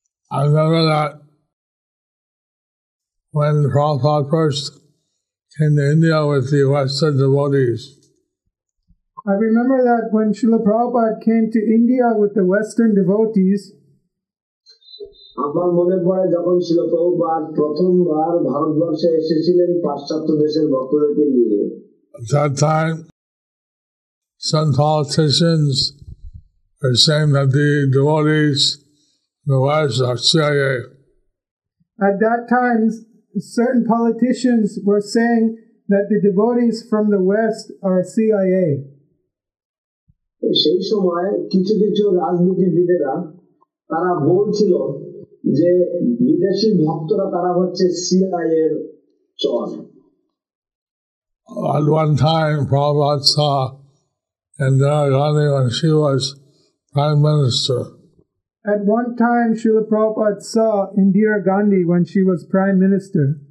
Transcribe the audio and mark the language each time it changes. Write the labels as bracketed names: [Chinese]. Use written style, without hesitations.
[English] I remember that when Prabhupada first came to India with the Western devotees. I remember that when Srila Prabhupada came to India with the Western devotees. [Bangla] আমার মনে পড়ে যখন শ্রীল প্রভুপাদ প্রথমবার ভারতবর্ষে এসেছিলেন পাশ্চাত্য দেশের ভক্তদেরকে নিয়ে. [English] At that time, some politicians were saying that the devotees in the West are CIA. At that time, certain politicians were saying that the devotees from the West are CIA. [Bangla] সেই সময় কিছু কিছু রাজনীতিবিদেরা তারা বলছিল যে বিদেশি ভক্তরা তারা হচ্ছে CIA এর চর. [English] At one time, Prabhupada saw Indira Gandhi when she was Prime Minister. At one time, Srila Prabhupada saw Indira Gandhi when she was Prime Minister.